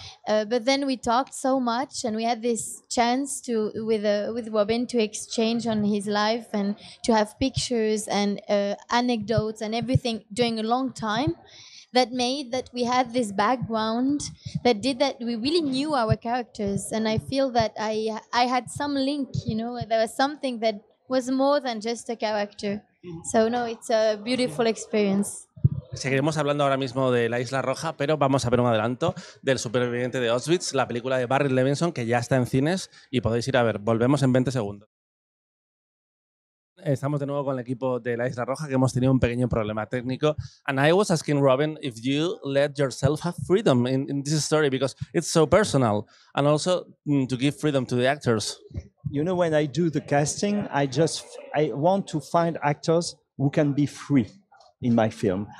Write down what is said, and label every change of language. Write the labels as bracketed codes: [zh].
[en] But then we talked so much, and we had this chance to with Robin to exchange on his life and to have pictures and anecdotes and everything during a long time. That made that we had this background that did that we really knew our characters. And I feel that I had some link, you know, there was something that was more than just a character. So no, it's a beautiful experience. [es] Seguiremos hablando ahora mismo de La Isla Roja, pero vamos a ver un adelanto del superviviente de Auschwitz, la película de Barry Levinson, que ya está en cines y podéis ir a ver. Volvemos en 20 segundos. Estamos de nuevo con el equipo de La Isla Roja, que hemos tenido un pequeño problema técnico. [en] And I was asking Robin if you let yourself have freedom in this story, because it's so personal, and also to give freedom to the actors. You know, when I do the casting, I want to find actors who can be free in my film.